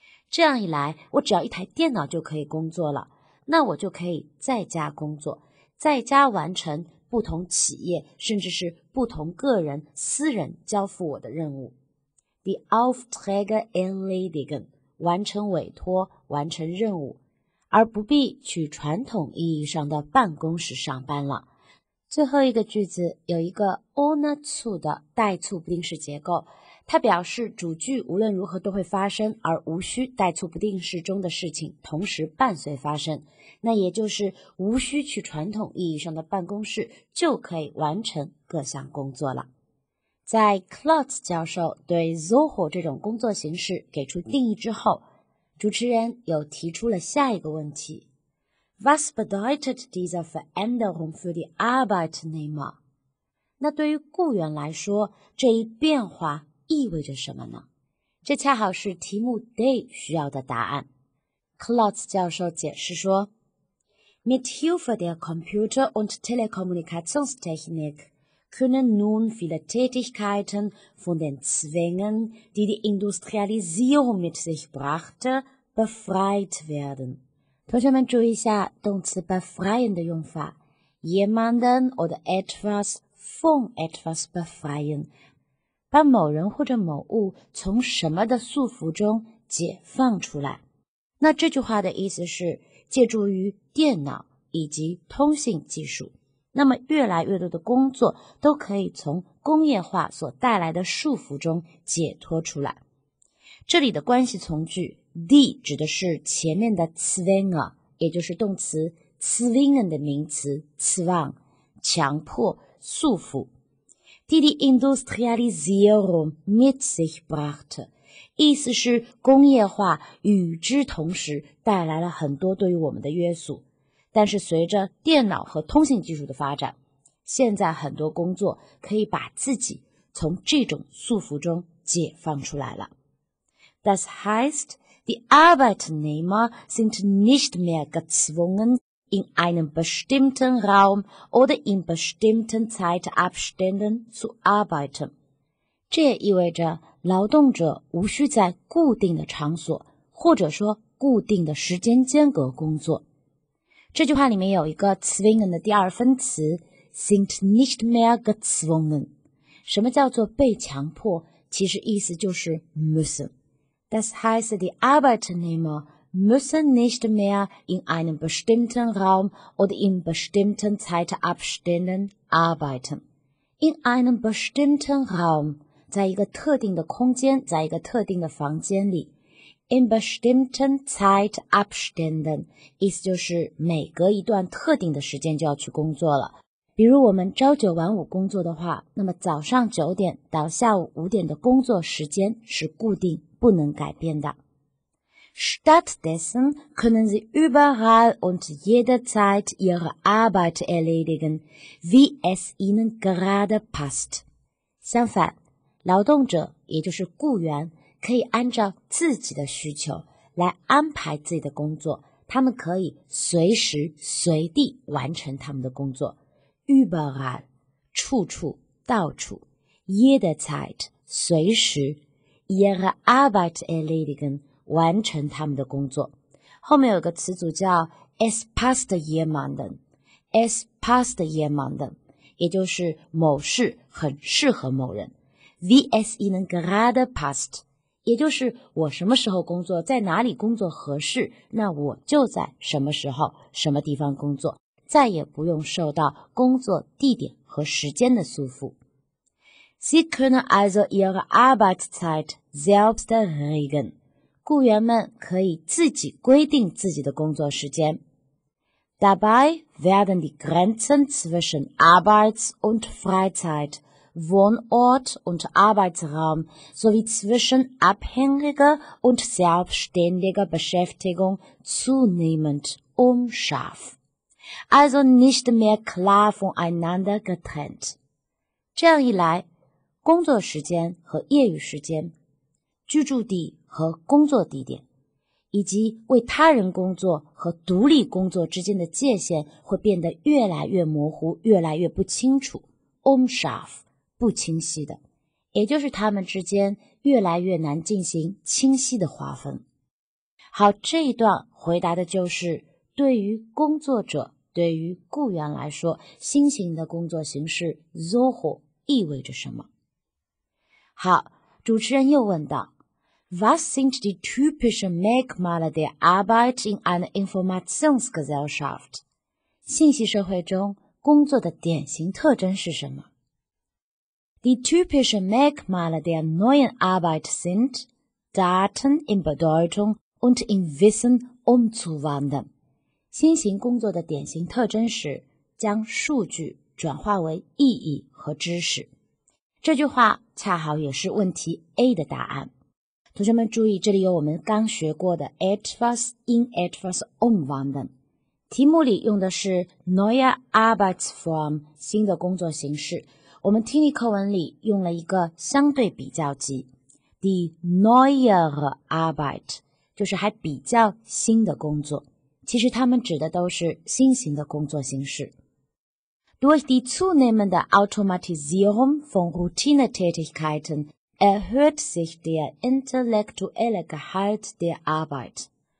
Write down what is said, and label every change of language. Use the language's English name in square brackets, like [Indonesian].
[Chinese] 这样一来，我只要一台电脑就可以工作了，那我就可以在家工作，在家完成不同企业甚至是不同个人私人交付我的任务。 [German] Die Aufträge erledigen， [Chinese] 完成委托，完成任务，而不必去传统意义上的办公室上班了。最后一个句子有一个 [German] ohne zu [Chinese] 的代促不定式结构，它表示主句无论如何都会发生，而无需代促不定式中的事情同时伴随发生，那也就是无需去传统意义上的办公室就可以完成各项工作了。在 Klotz 教授对 Zoho 这种工作形式给出定义之后，主持人又提出了下一个问题。 [German] Was bedeutet diese Veränderung für die Arbeitnehmer？ [Chinese] 那对于雇员来说，这一变化意味着什么呢？这恰好是题目 Day 需要的答案。 [German] Klotz [Chinese] 教授解释说， [German] Mit Hilfe der Computer- und Telekommunikationstechnik können nun viele Tätigkeiten von den Zwängen, die die Industrialisierung mit sich brachte, befreit werden. [Chinese] 同学们注意一下动词 befreien 的用法， [German] jemanden oder etwas von etwas befreien， [Chinese] 把某人或者某物从什么的束缚中解放出来。那这句话的意思是借助于电脑以及通信技术，那么越来越多的工作都可以从工业化所带来的束缚中解脱出来。这里的关系从句 die 指的是前面的 zwingen， 也就是动词 zwingen 的名词 zwang， 强迫、束缚。 [German] Die Industrialisierung mit sich brachte， [Chinese] 意思是工业化与之同时带来了很多对于我们的约束，但是随着电脑和通信技术的发展，现在很多工作可以把自己从这种束缚中解放出来了。 [German] Das heißt, die Arbeitnehmer sind nicht mehr gezwungen,in einem bestimmten Raum oder in bestimmten Zeitabständen zu arbeiten。 [Chinese] 这也意味着劳动者无需在固定的场所或者说固定的时间间隔工作。这句话里面有一个 zwingen 的第二分词 [German] sind nicht mehr gezwungen。 [Chinese] 什么叫做被强迫？其实意思就是 müssen。 [German] Das heißt, die ArbeitnehmerMüssen nicht mehr in einem bestimmten Raum oder in bestimmten Zeitabständen arbeiten. In einem bestimmten Raum, [Chinese] 在一个特定的空间，在一个特定的房间里。 [German] In bestimmten Zeitabständen, [Chinese] 意思就是每隔一段特定的时间就要去工作了。比如我们朝九晚五工作的话，那么早上九点到下午五点的工作时间是固定，不能改变的。 [German] Stattdessen können Sie überall und jederzeit Ihre Arbeit erledigen, wie es Ihnen gerade passt. [Chinese] 相反，劳动者，也就是雇员，可以按照自己的需求来安排自己的工作，他们可以随时随地完成他们的工作。 Überall， 处处，到处。 Jederzeit， 随时。 [German] Ihre Arbeit erledigen， [Chinese] 完成他们的工作。后面有个词组叫 [German] es passt jemanden， [Chinese] es passt jemanden， 也就是某事很适合某人。 [German] Wie es Ihnen gerade passt， [Chinese] 也就是我什么时候工作，在哪里工作合适，那我就在什么时候什么地方工作，再也不用受到工作地点和时间的束缚。 [German] Sie können also Ihre Arbeitszeit selbst regeln， [Chinese] 雇员们可以自己规定自己的工作时间。 [German] Dabei werden die Grenzen zwischen Arbeits- und Freizeit, Wohnort und Arbeitsraum sowie zwischen abhängiger und selbstständiger Beschäftigung zunehmend unscharf, also nicht mehr klar voneinander getrennt. [Chinese] 这样一来，工作时间和业余时间，居住地和工作地点，以及为他人工作和独立工作之间的界限会变得越来越模糊，越来越不清楚。 Unscharf， 不清晰的，也就是他们之间越来越难进行清晰的划分。好，这一段回答的就是对于工作者，对于雇员来说，新型的工作形式 Zoho 意味着什么。好，主持人又问道， [German] Was sind die typischen Merkmale der Arbeit in einer Informationsgesellschaft? [Chinese] 信息社会中工作的典型特征是什么？ [German] Die typischen Merkmale der neuen Arbeit sind Daten in Bedeutung und in Wissen umzuwandeln. [Chinese] 新型工作的典型特征是将数据转化为意义和知识。这句话恰好也是问题 A 的答案。同学们注意，这里有我们刚学过的 [German] etwas in etwas umwandeln。 [Chinese] 题目里用的是 [German] neue Arbeitsform， [Chinese] 新的工作形式。我们听力课文里用了一个相对比较级， [German] die neuere Arbeit， [Chinese] 就是还比较新的工作。其实他们指的都是新型的工作形式。 [German] Durch die zunehmende Automatisierung von Routinetätigkeiten erhöht sich der intellektuelle Gehalt der Arbeit.